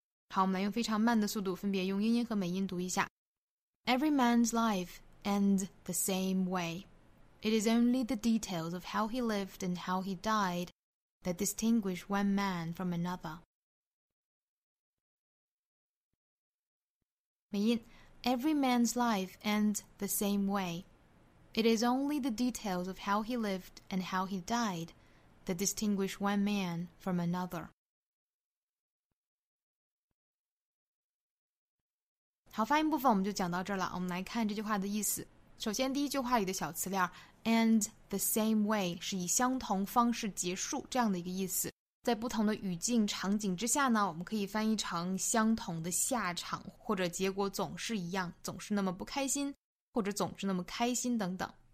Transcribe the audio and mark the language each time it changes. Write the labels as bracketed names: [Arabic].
[Chinese] 好，我们来用非常慢的速度分别用英音和美音读一下。 [English] Every man's life. End the same way. It is only the details of how he lived and how he died that distinguish one man from another. 美音 Every man's life ends the same way. It is only the details of how he lived and how he died that distinguish one man from another. [Chinese] 好，发音部分我们就讲到这儿了。我们来看这句话的意思。首先第一句话里的小词链 [English] and the same way [Chinese] 是以相同方式结束这样的一个意思。在不同的语境场景之下呢，我们可以翻译成相同的下场，或者结果总是一样，总是那么不开心，或者总是那么开心等等。